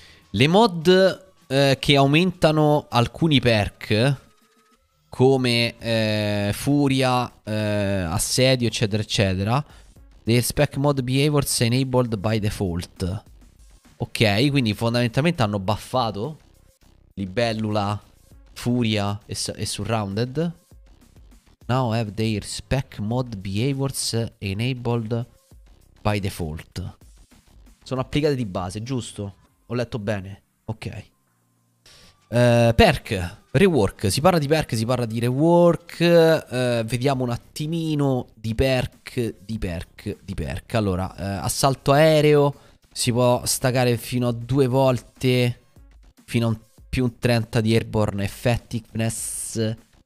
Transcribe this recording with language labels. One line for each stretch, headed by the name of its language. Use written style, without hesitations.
Italian: Le mod che aumentano alcuni perk come furia, assedio, eccetera eccetera.
English: The spec mod behaviors enabled by default.
Italian: Ok, quindi fondamentalmente hanno buffato Libellula, Furia e Surrounded.
English: Now have their spec mod behaviors enabled by default.
Italian: Sono applicate di base, giusto? Ho letto bene? Ok. Perk, rework. Si parla di perk, si parla di rework. Vediamo un attimino di perk, di perk, di perk. Allora, assalto aereo. Si può staccare fino a due volte, fino a più un 30 di airborne effectiveness.